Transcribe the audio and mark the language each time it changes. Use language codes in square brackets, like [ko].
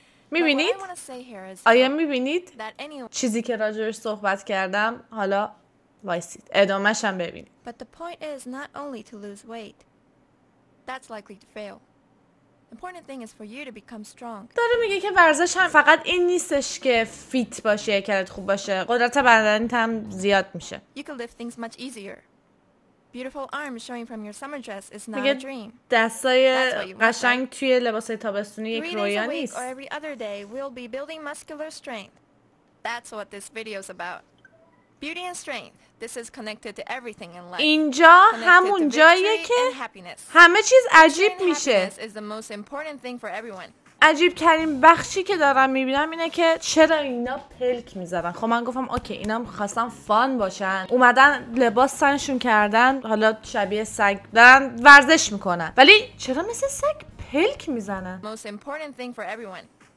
[fa] میبینید؟ آیا میبینید؟ چیزی که راجعش صحبت کردم، حالا وایسید. ادامه‌ش هم ببینید. [en] But the point is not only to lose weight. That's likely to fail. Important thing is for you to become strong. [fa] داره میگه که ورزش هم فقط این نیستش که فیت باشی، کارت خوب باشه. قدرت بدنت هم زیاد میشه. [en] You can lift things much easier. Beautiful arm showing from your summer dress is not a dream. [fa] دستای قشنگ توی لباسای تابستونی یک رویا نیست. [en] Or every other day we'll be building muscular strength. That's what this video is about. Beauty and strength. This is connected to everything in life. [fa] اینجا همون جاییه که همه چیز عجیب میشه. [en] Happiness is the most important thing for everyone. [fa] عجیب ترین بخشی که دارم میبینم اینه که چرا اینا پلک میذارن. خب من گفتم اوکی اینا خواستن فان باشن، اومدن لباس سنشون کردن، حالا شبیه سگ دارن ورزش میکنن، ولی چرا مثل سگ پلک میزنن؟ [en] Most important thing for everyone.